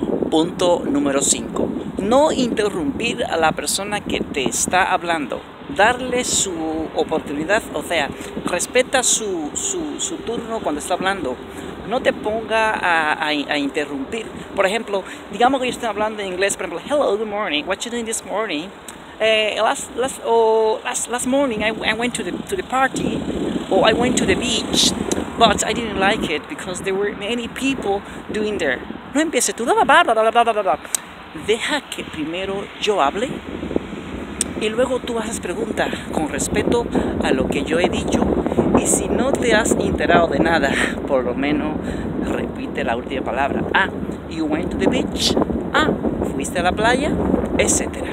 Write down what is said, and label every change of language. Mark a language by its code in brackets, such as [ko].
[es] Punto número 5. No interrumpir a la persona que te está hablando. Darle su oportunidad, o sea, respeta su turno cuando está hablando. No te ponga a interrumpir. Por ejemplo, digamos que yo estoy hablando en inglés, por ejemplo, [en] hello, good morning, what you doing this morning? Last morning I went to the party, or I went to the beach, but I didn't like it because there were many people doing there. [es] No empieces tú, bla, bla, bla, bla, bla, bla, bla. Deja que primero yo hable y luego tú haces preguntas con respeto a lo que yo he dicho. Y si no te has enterado de nada, por lo menos repite la última palabra. [en] Ah, you went to the beach. [es] Ah, fuiste a la playa, etc.